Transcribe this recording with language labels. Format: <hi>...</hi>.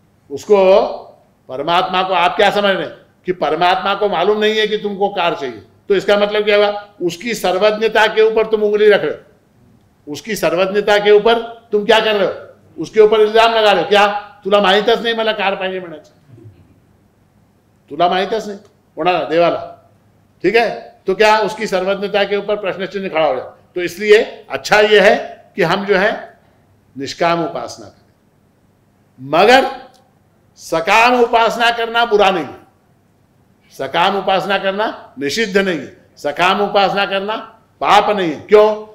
<hi>उसको परमात्मा को आप क्या समझ रहे हैं कि परमात्मा को मालूम नहीं है कि तुमको कार चाहिए, तो इसका मतलब क्या हुआ? उसकी सर्वज्ञता के ऊपर तुम उंगली रख रहे हो, उसकी सर्वज्ञता के ऊपर तुम क्या कर रहे हो? उसके ऊपर इल्जाम लगा रहे हो।</hi> <mr>क्या तुला माहितच नहीं मला कार पाहिजे म्हणायचं? तुला माहितच नहीं कोणाला? देवाला।</mr> <hi>ठीक है, तो क्या उसकी सर्वज्ञता के ऊपर प्रश्न चिन्ह खड़ा हो गया? तो इसलिए अच्छा यह है कि हम जो है निष्काम उपासना करें, मगर सकाम उपासना करना बुरा नहीं है। सकाम उपासना करना निषिद्ध नहीं है, सकाम उपासना करना पाप नहीं है। क्यों?</hi>